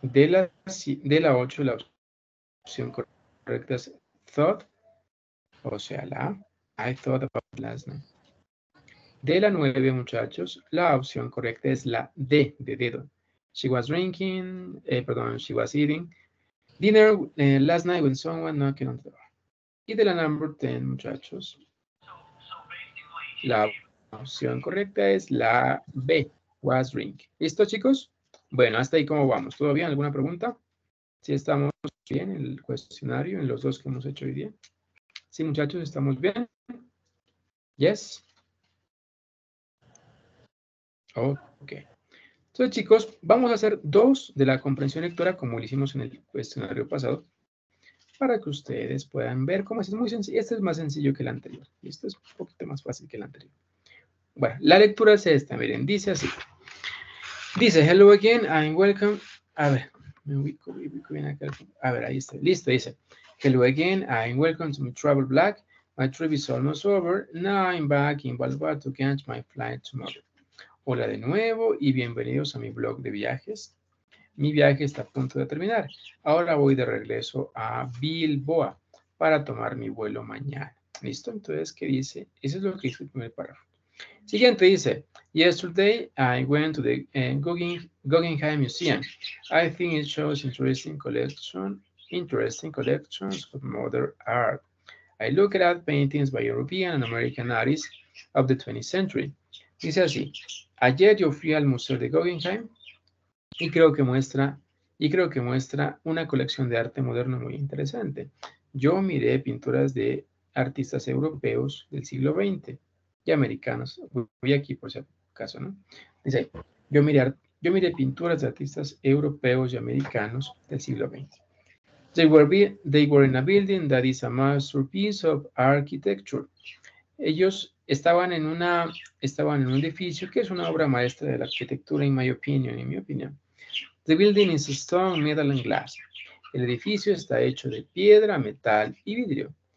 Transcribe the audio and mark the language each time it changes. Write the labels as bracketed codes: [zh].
[es] De la 8, la opción correcta es thought, o sea, la A. [en] I thought about last night. [es] De la 9, muchachos, la opción correcta es la D, de dedo. [en] She was drinking, she was eating dinner last night when someone knocked on the door. [es] Y de la number 10, muchachos, la opción correcta es la B, was drinking. ¿Listo, chicos? Bueno, hasta ahí cómo vamos. ¿Todo bien? ¿Alguna pregunta? ¿Sí estamos bien en el cuestionario, en los dos que hemos hecho hoy día? Sí, muchachos, ¿estamos bien? ¿Yes? Ok. Entonces, chicos, vamos a hacer dos de la comprensión lectora como lo hicimos en el cuestionario pasado para que ustedes puedan ver cómo es muy sencillo. Este es más sencillo que el anterior. Y esto es un poquito más fácil que el anterior. Bueno, la lectura es esta. Miren, dice así. Dice, [en] hello again, I'm welcome. [es] A ver, me ubico bien acá. A ver, ahí está. Listo, dice. [en] Hello again, I'm welcome to my travel blog. My trip is almost over. Now I'm back in Balboa to catch my flight tomorrow. [es] Hola de nuevo y bienvenidos a mi blog de viajes. Mi viaje está a punto de terminar. Ahora voy de regreso a Bilboa para tomar mi vuelo mañana. ¿Listo? Entonces, ¿qué dice? Eso es lo que dice el primer párrafo. Siguiente dice, [en] yesterday I went to the Guggenheim Museum. I think it shows interesting collections of modern art. I looked at paintings by European and American artists of the 20th century. [es] Dice así, ayer yo fui al Museo de Guggenheim y creo que muestra una colección de arte moderno muy interesante. Yo miré pinturas de artistas europeos del siglo XX. Y americanos, voy aquí por si acaso, ¿no? Dice, yo miré pinturas de artistas europeos y americanos del siglo XX. [en] They were in a building that is a masterpiece of architecture. [es] Ellos estaban en un edificio que es una obra maestra de la arquitectura, en mi opinión. [en] The building is stone, metal and glass. [es] El edificio está hecho de piedra, metal y vidrio.